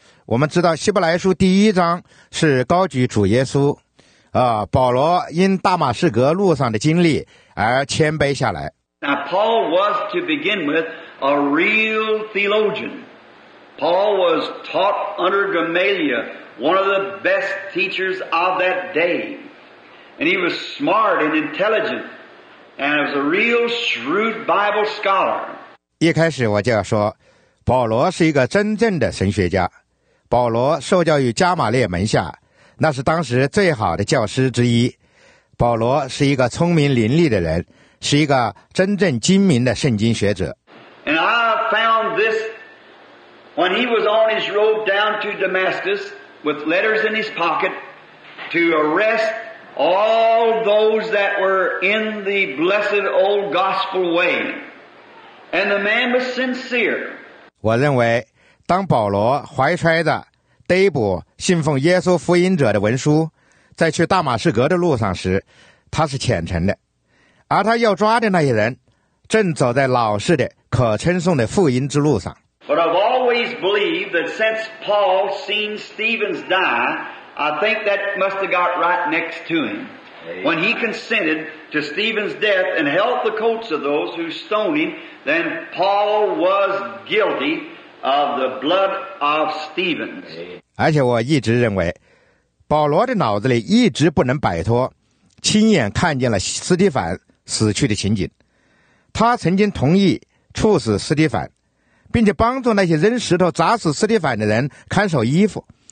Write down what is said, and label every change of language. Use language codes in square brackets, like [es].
[zh] 我们知道希伯来书第一章是高举主耶稣，保罗因大马士革路上的经历而谦卑下来。 [en] Now Paul was to begin with a real theologian. Paul was taught under Gamaliel, one of the best teachers of that day, and he was smart and intelligent. And as a real shrewd Bible scholar. [zh] 一开始我就要说保罗是一个真正的神学家。保罗受教于加马列门下，那是当时最好的教师之一。保罗是一个聪明伶俐的人，是一个真正精明的圣经学者。 [en] And I found this when he was on his road down to Damascus with letters in his pocket to arrest all those that were in the blessed old gospel way. And the man was sincere. [zh] 我认为当保罗怀揣着逮捕信奉耶稣福音者的文书在去大马士革的路上时，他是虔诚的。而他要抓的那些人正走在老实的可称颂的福音之路上。 [en] But I've always believed that since Paul seen Stephen's die, I think that must have got right next to him. When he consented to Stephen's death and held the coats of those who stoned him, then Paul was guilty of the blood of Stephen. [zh] 而且我一直认为保罗的脑子里一直不能摆脱亲眼看见了斯蒂凡死去的情景。他曾经同意处死斯蒂凡，并且帮助那些扔石头砸死斯蒂凡的人看守衣服。